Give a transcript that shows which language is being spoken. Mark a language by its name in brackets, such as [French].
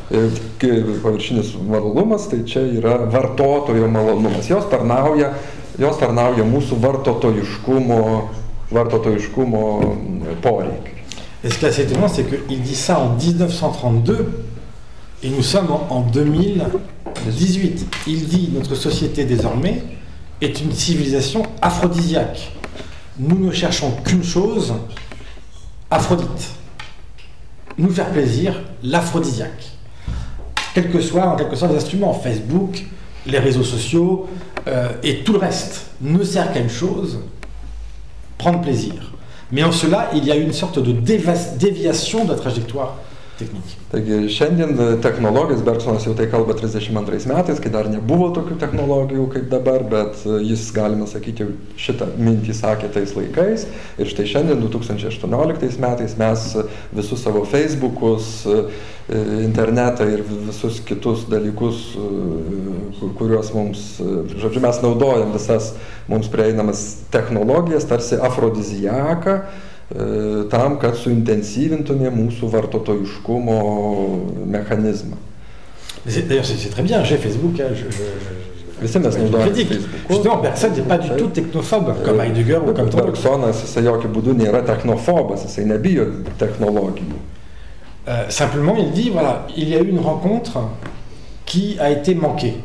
[Lithuanian] Paviršinis malonumas, tai čia yra vartotojo malonumas. Jos tarnauja mūsų vartotojiškumo poreikį. [French] Et ce qui est assez étonnant, c'est qu'il dit ça en 1932 et nous sommes en 2018. Il dit notre société désormais est une civilisation aphrodisiaque. Nous ne cherchons qu'une chose, Aphrodite. Nous faire plaisir, l'aphrodisiaque. En quelque sorte, les instruments, Facebook, les réseaux sociaux et tout le reste ne sert qu'à une chose, prendre plaisir. Mais en cela, il y a une sorte de déviation de la trajectoire technique. [Lithuanian] Taigi, šiandien technologijos, Bergsonas jau tai kalba 32 metais, kai dar nebuvo tokių technologijų kaip dabar, bet jis, galima sakyti, šitą mintį sakė tais laikais. Ir štai šiandien, 2018 metais, mes visus savo Facebookus, internetą ir visus kitus dalykus, kuriuos mums, žodžiu, mes naudojam visas mums prieinamas technologijas, tarsi afrodizijaką, tam, kad suintensyvintume mūsų vartotojiškumo mechanizmą. [French] D'ailleurs, c'est très bien, j'ai Facebook. [Lithuanian] Visi mes naudojame Facebook. [French] Justement, personne n'est pas du tout technophobe, comme Heidegger ou comme Trump. [Lithuanian] Bergsonas, jisai jokių būdų nėra technophobas, jisai nebijo technologijų. [French] Simplement, il dit, voilà, il y a eu une rencontre qui a été manquée.